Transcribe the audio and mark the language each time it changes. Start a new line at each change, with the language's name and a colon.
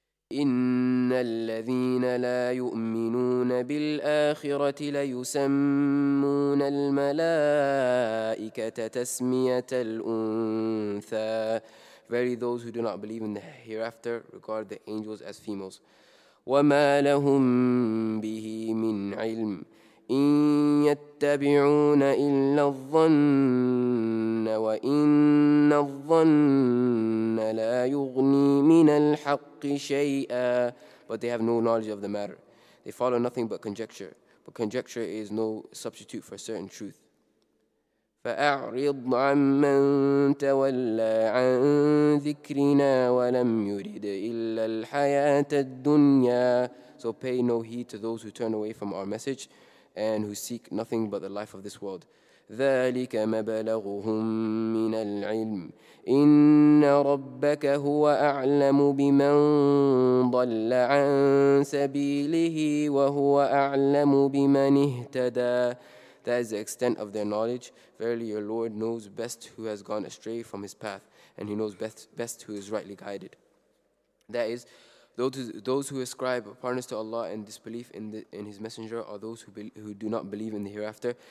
Arabic: إِنَّ الَّذِينَ لَا يُؤْمِنُونَ بِالْآخِرَةِ لَيُسَمُّونَ الْمَلَائِكَةَ تَسْمِيَةَ الْأُنْثَى.
English: Verily those who do not believe in the hereafter regard the angels as females.
Arabic: وَمَا لَهُمْ بِهِ مِنْ عِلْمٍ. إن يتبعون إلا الظن وإن الظن لا يغني من الحق شيئا.
English: But they have no knowledge of the matter. They follow nothing but conjecture. But conjecture is no substitute for certain truth.
Arabic: فأعرض عمن تولى عن ذكرنا ولم يرد إلا الحياة الدنيا.
English: So pay no heed to those who turn away from our message and who seek nothing but the life of this world.
Arabic: ذلك مبلغهم من العلم إن ربك هو أعلم بمن ضل عن سبيله وهو أعلم بمن اهتدى.
English: That is the extent of their knowledge. Verily your Lord knows best who has gone astray from his path, and he knows best who is rightly guided. That is, those who ascribe partners to Allah and disbelief in his messenger are those who do not believe in the hereafter.